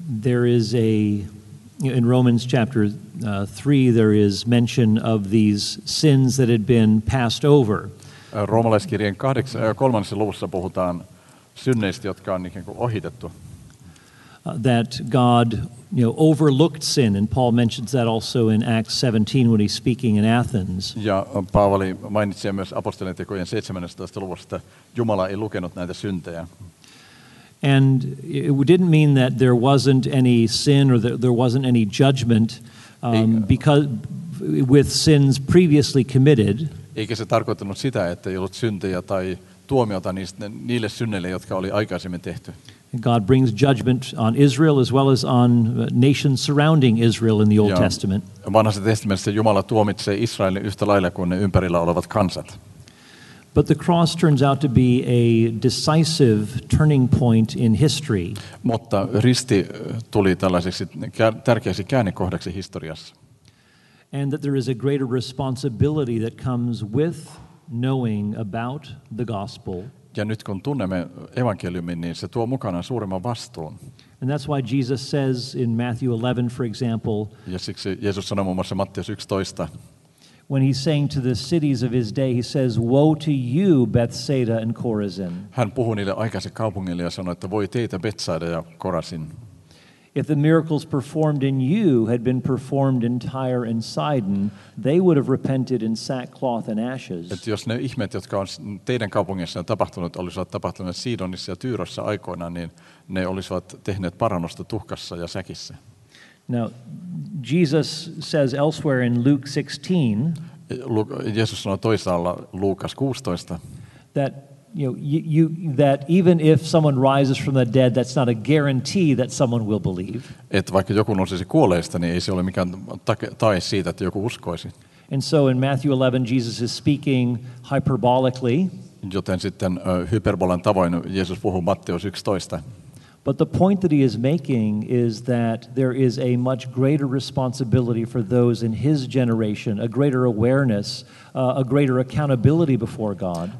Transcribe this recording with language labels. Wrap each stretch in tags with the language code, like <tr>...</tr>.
<en>There is in Romans chapter 3, there is mention of these sins that had been passed over.</en> <fi>Roomalaiskirjeen 3. luvussa puhutaan synneistä, jotka on ikään kuin ohitettu.</fi> <en>That God, overlooked sin, and Paul mentions that also in Acts 17 when he's speaking in Athens.</en> <fi>Ja Paavali mainitsi myös apostolintekojen 17. luvussa, että Jumala ei lukenut näitä syntejä.</fi> <en>And it didn't mean that there wasn't any sin or that there wasn't any judgment because with sins previously committed.</en> <fi>Eikä se tarkoittanut sitä, että ei ollut syntejä tai tuomiota niille synneille, jotka oli aikaisemmin tehty.</fi> <en>God brings judgment on Israel as well as on nations surrounding Israel in the Old Testament.</en> <fi>Vanhassa testamentissa Jumala tuomitsee Israelin yhtä lailla kuin ne ympärillä olevat kansat.</fi> <en>But the cross turns out to be a decisive turning point in history.</en> <fi>Mutta risti tuli tällaiseksi tärkeäksi käännekohdaksi historiassa.</fi> <en>And that there is a greater responsibility that comes with knowing about the gospel.</en> <fi>Ja nyt kun tunnemme evankeliumin, niin se tuo mukana suuremman vastuun.</fi> <en>And that's why Jesus says in Matthew 11, for example,</en> <fi>ja siksi Jeesus sanoo muun muassa Matteus 11,</fi> <en>when he's saying to the cities of his day, he says, woe to you, Bethsaida and Chorazin.</en> <fi>Hän puhui niille aikaisille kaupungille ja sanoi, että voi teitä, Bethsaida ja Chorazin.</fi> <en>If the miracles performed in you had been performed in Tyre and Sidon, they would have repented in sackcloth and ashes.</en> <fi>Et jos ne ihmeet, jotka on teidän kaupungissa tapahtunut, olisivat tapahtuneet Sidonissa ja Tyyrossa aikoina, niin ne olisivat tehneet parannusta tuhkassa ja säkissä.</fi> <en>Now, Jesus says elsewhere in Luke 16,</en> <fi>Jeesus sanoo toisaalla Luukas 16,</fi> <en>that that even if someone rises from the dead, that's not a guarantee that someone will believe.</en> <fi>Et vaikka joku nousisi kuolleista, niin ei se ole mikään tae siitä, että joku uskoisi.</fi> <en>And so in Matthew 11, Jesus is speaking hyperbolically.</en> <fi>Joten sitten hyperbolan tavoin Jeesus puhuu Matteus 11.</fi> <en>But the point that he is making is that there is a much greater responsibility for those in his generation, a greater awareness, a greater accountability before God.</en>